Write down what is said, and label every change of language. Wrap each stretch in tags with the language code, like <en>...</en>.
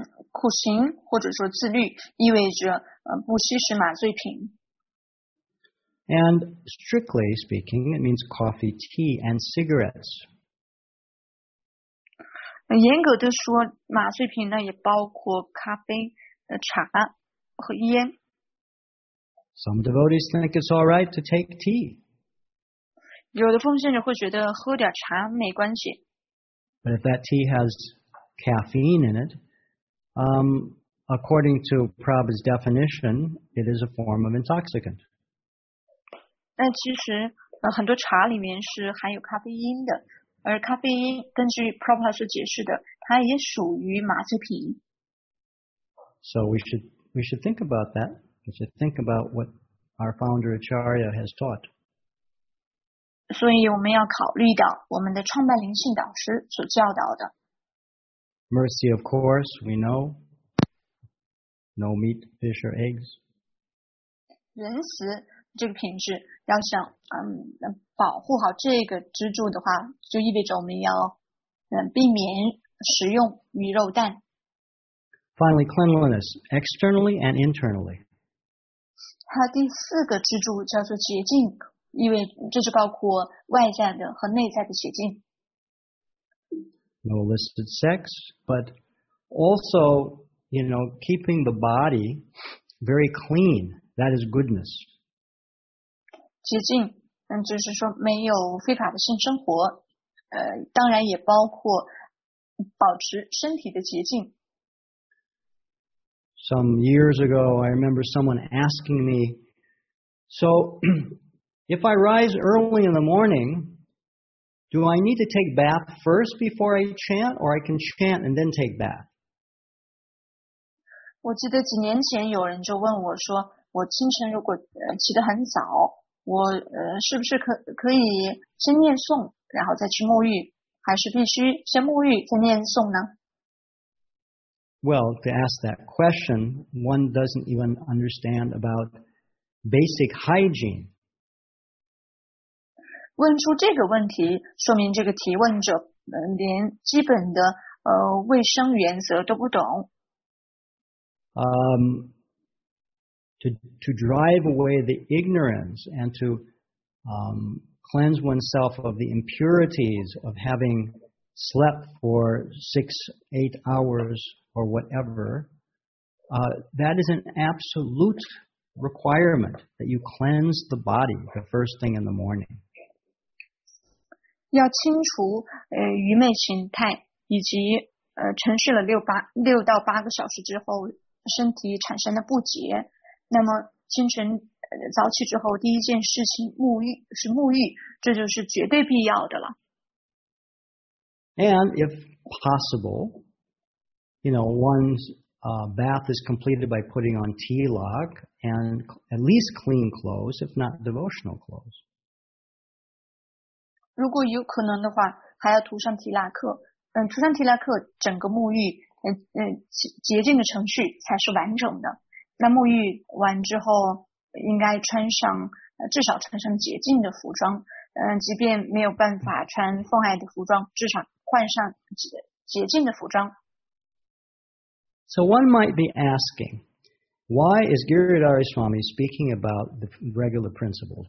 <zh>苦行或者说自律意味着不吸食麻醉品。</zh> <en>And strictly speaking, it means coffee, tea, and cigarettes.</en> <zh>严格的说，麻醉品呢也包括咖啡、茶和烟。</zh> <en>Some devotees think it's all right to take tea.</en> <zh>有的奉献者会觉得喝点茶没关系。</zh> <en>But if that tea has caffeine in it, according to Prabhupada's definition, it is a form of intoxicant.</en> <zh>那其实很多茶里面是含有咖啡因的，而咖啡因根据 Prabhupada 所解释的，它也属于麻醉品。</zh> <en>So we should think about that. We should think about what our founder Acharya has taught.</en> <zh>所以我们要考虑到我们的创办灵性导师所教导的。</zh> <en>Mercy, of course, we know. No meat, fish, or eggs.</en> <zh>仁慈这个品质要想保护好这个支柱的话，就意味着我们要避免食用鱼肉蛋。</zh> <en>Finally, cleanliness, externally and internally.</en> <zh>它第四个支柱叫做洁净，因为这是包括外在的和内在的洁净。</zh> <en>No illicit sex, but also, you know, keeping the body very clean, that is goodness.</en> <zh>洁净，就是说没有非法的性生活，当然也包括保持身体的洁净。</zh> <en>Some years ago, I remember someone asking me, so, if I rise early in the morning, do I need to take bath first before I chant, or I can chant and then take bath?</en> <zh>我记得几年前有人就问我说，我清晨如果起得很早，我是不是可以先念诵，然后再去沐浴，还是必须先沐浴再念诵呢？</zh> <en>Well, to ask that question, one doesn't even understand about basic hygiene.</en> <zh>问出这个问题，说明这个提问者连基本的卫生原则都不懂。</zh> <en>To drive away the ignorance and to cleanse oneself of the impurities of having slept for 6-8 hours or whatever, that is an absolute requirement that you cleanse the body the first thing in the morning.</en> <zh>要清除愚昧心态，以及沉睡了6到8个小时之后身体产生的不洁。那么清晨早起之后第一件事情沐浴，这就是绝对必要的了。</zh> <en>And if possible, you know, one's bath is completed by putting on tilak and at least clean clothes, if not devotional clothes.</en> <zh>如果有可能的话，还要涂上提拉克。涂上提拉克，整个沐浴，洁净的程序才是完整的。那沐浴完之后，应该穿上至少穿上洁净的服装。即便没有办法穿妨碍的服装，至少换上洁净的服装。</zh> <en>So one might be asking, why is Giridhara Swami speaking about the regular principles?</en>